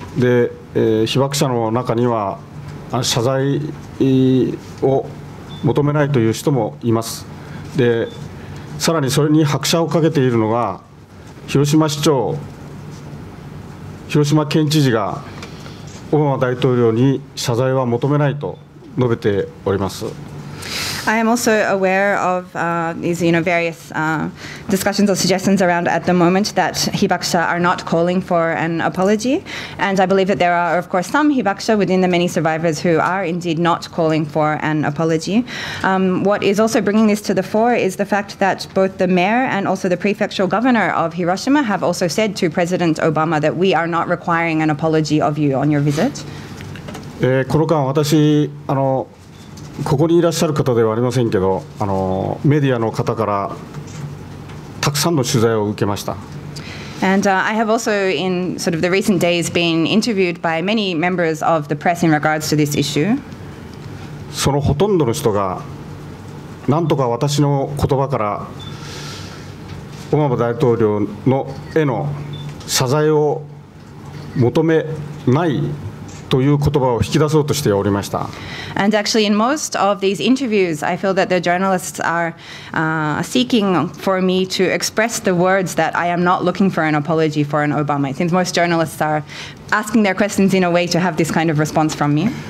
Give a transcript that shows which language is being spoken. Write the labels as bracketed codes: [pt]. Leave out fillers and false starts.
[ja] で、被爆者の中には謝罪を求めないという人もいます。で、さらにそれに拍車をかけているのが広島市長、広島県知事がオバマ大統領に謝罪は求めないと述べております。 [en] I am also aware of these, you know, various discussions or suggestions around at the moment that Hibakusha are not calling for an apology. And I believe that there are, of course, some Hibakusha within the many survivors who are indeed not calling for an apology. What is also bringing this to the fore is the fact that both the mayor and also the prefectural governor of Hiroshima have also said to President Obama that we are not requiring an apology of you on your visit. [ja] この間私ここにいらっしゃる方ではありませんけど、メディアの方からたくさんの取材を受けました。 [en] And I have also in sort of the recent days been interviewed by many members of the press in regards to this issue. [ja] そのほとんどの人が、なんとか私の言葉からオバマ大統領のへの謝罪を求めないという言葉を引き出そうとしておりました。 [en] And actually, in most of these interviews, I feel that the journalists are seeking for me to express the words that I am not looking for an apology for an Obama. It seems most journalists are asking their questions in a way to have this kind of response from me.